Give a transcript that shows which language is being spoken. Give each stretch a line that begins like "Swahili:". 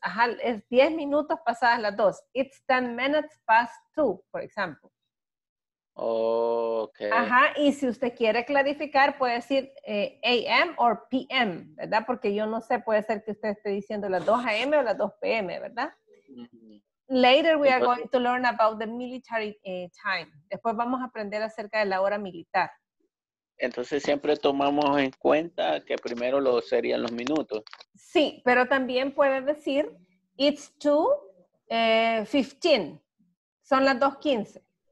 Spanish: Ajá, es 10 minutos pasadas las 2.
English: It's 10 minutes past 2,
Spanish: por ejemplo. Okay. Ajá, y si usted quiere clarificar, puede decir a.m. or p.m., ¿verdad? Porque yo no sé, puede ser que usted esté diciendo las 2 a.m. o las 2 p.m., ¿verdad? Mm-hmm.
English: Later we are going to learn about the military time.
Spanish: Después vamos a aprender acerca de la hora militar. Entonces siempre tomamos en cuenta que primero lo serían los minutos. Sí, pero también puede decir,
English: it's 2:15,
Spanish: son las 2:15.